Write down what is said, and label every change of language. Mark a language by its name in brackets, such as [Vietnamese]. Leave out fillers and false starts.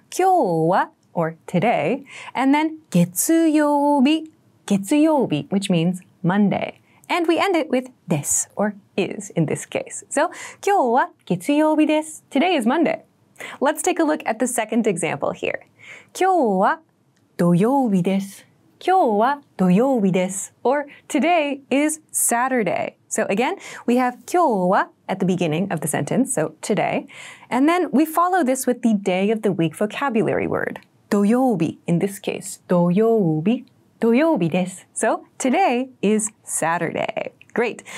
[Japanese] 今日は, [English] or today, and then [Japanese] 月曜日, 月曜日, [English] which means Monday. And we end it with this, or is in this case. So, [Japanese] 今日は月曜日です。 [English] Today is Monday. Let's take a look at the second example here. [Japanese] 今日は土曜日です。今日は土曜日です。 [English] Or, today is Saturday. So again, we have 今日は at the beginning of the sentence, so today. And then we follow this with the day of the week vocabulary word. 土曜日 in this case. [Japanese] 土曜日土曜日です。 [English] So today is Saturday. Great.